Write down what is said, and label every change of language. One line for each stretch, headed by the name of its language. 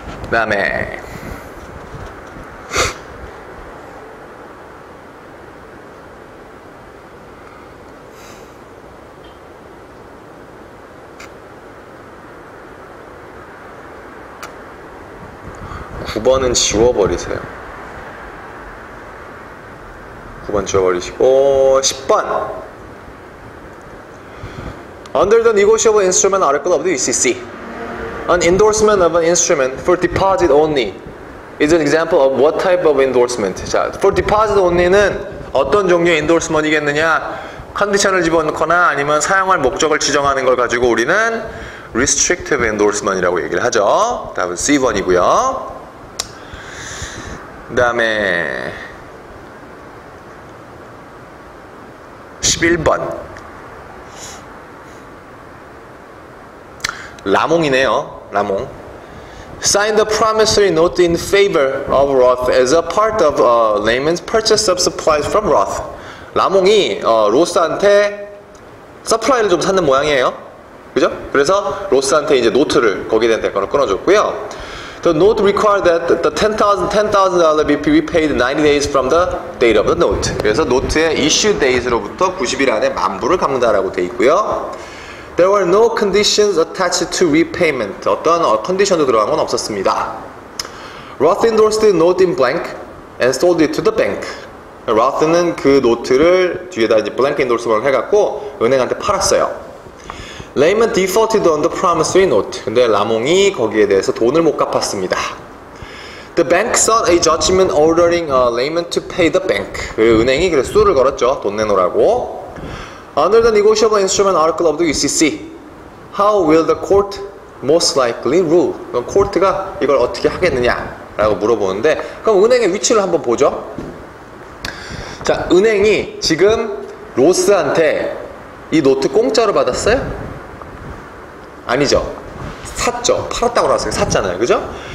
Korean: 다음에 9번은 지워버리세요. 9번 지워버리시고 10번
English: Under the negotiable instrument article of the UCC An endorsement of an instrument for deposit only is an example of what type of endorsement?
Korean: 자,
English: for deposit only
Korean: 는 어떤 종류의 endorsement이겠느냐 컨디션을 집어넣거나 아니면 사용할 목적을 지정하는 걸 가지고 우리는 restrictive endorsement이라고 얘기를 하죠. 답은 C번이고요. 그 다음에 11번 라몽이네요.
English: 라몽 Sign the promissory note in favor of Roth as a part of Lehman's purchase of supplies from Roth
Korean: 라몽이 로스한테 서플라이를 좀 찾는 모양이에요. 그죠? 그래서 로스한테 이제 노트를 거기에 대한 대가를 끊어줬고요.
English: The note required that the $10,000 be repaid 90 days from the date of the note.
Korean: 그래서 노트의 issue date로부터 90일 안에 만부를 갚는다라고 돼 있고요.
English: There were no conditions attached to repayment.
Korean: 어떤 컨디션도 들어간 건 없었습니다.
English: Roth endorsed the note in blank and sold it to the bank.
Korean: Roth는 그 노트를 뒤에다 이제 blank endorsement을 해갖고 은행한테 팔았어요.
English: Raymond defaulted on the promissory note.
Korean: 근데 라몽이 거기에 대해서 돈을 못 갚았습니다.
English: The bank sought a judgment ordering Raymond to pay the bank.
Korean: 그 은행이 그래서 수를 걸었죠. 돈 내놓으라고.
English: Under the negotiable instrument article of the UCC, how will the court most likely rule?
Korean: 그럼 코트가 이걸 어떻게 하겠느냐라고 물어보는데, 그럼 은행의 위치를 한번 보죠. 자, 은행이 지금 로스한테 이 노트 공짜로 받았어요? 아니죠. 샀죠. 팔았다고 하셨어요. 샀잖아요. 그죠?